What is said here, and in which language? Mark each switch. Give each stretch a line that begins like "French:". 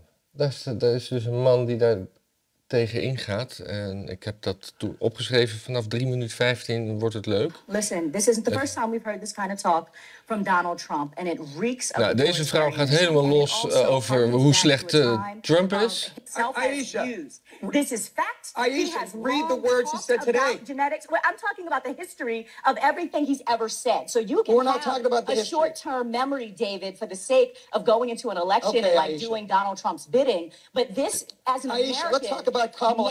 Dutch: Daar is dus een man die daar tegen ingaat. En ik heb dat opgeschreven vanaf 3 minuten 15 wordt het leuk.
English: Listen, this isn't the first time we've heard this kind of talk from Donald Trump. And it reeks of...
Dutch: Nou, deze vrouw gaat helemaal los over hoe slecht Trump is.
English: Aisha, this is fact. Aisha, read the words he said today. Genetics. Well, I'm talking about the history of everything he's ever said. So you can have a short-term memory, David, for the sake of going into an election and like doing Donald Trump's bidding. But this, as an American, let's talk about Kamala